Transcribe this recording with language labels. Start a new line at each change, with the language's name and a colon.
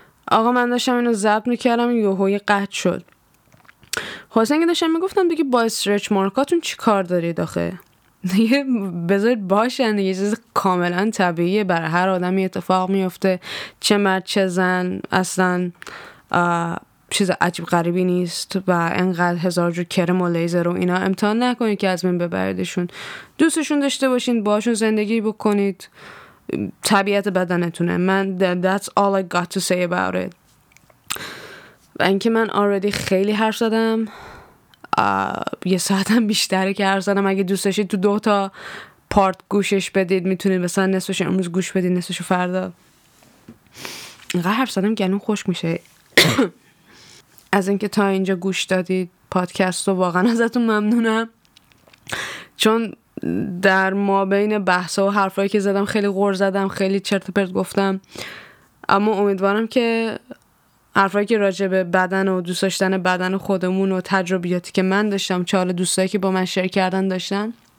Persian: آقا من داشتم اینو ضبط میکردم یوهوی قطع شد. حسین که داشتم میگفتم دیگه با استرچ مارکاتون چی کار دارید آخه؟ دیگه بذارید باشن دیگه، چیز کاملا طبیعیه، برای هر آدمی اتفاق میفته، چه مرد چه زن، اصلا چیز عجیب غریبی نیست و انقدر هزار جور کرم و لیزر و اینا امتحان نکنید که از من ببریدشون. دوستشون داشته باشین، باشون زندگی بکنید، طبیعت بدنتونه.
English: من that's all I got to say about it.
Persian: و اینکه من already خیلی حرف زدم، یه ساعتم بیشتره که حرف زدم، اگه دوست داشتید تو دوتا پارت گوشش بدید، میتونید مثلا نصفش امروز گوش بدید نصفش فردا. انقدر حرف زدم که الان خوش میشه از اینکه تا اینجا گوش دادید پادکست رو، واقعا ازتون ممنونم، چون در ما بین بحث و حرفایی که زدم خیلی غر زدم، خیلی چرت و پرت گفتم، اما امیدوارم که حرفایی که راجع به بدن و دوست داشتن بدن خودمون و تجربیاتی که من داشتم، چاله دوستایی که با من شیر کردن داشتن،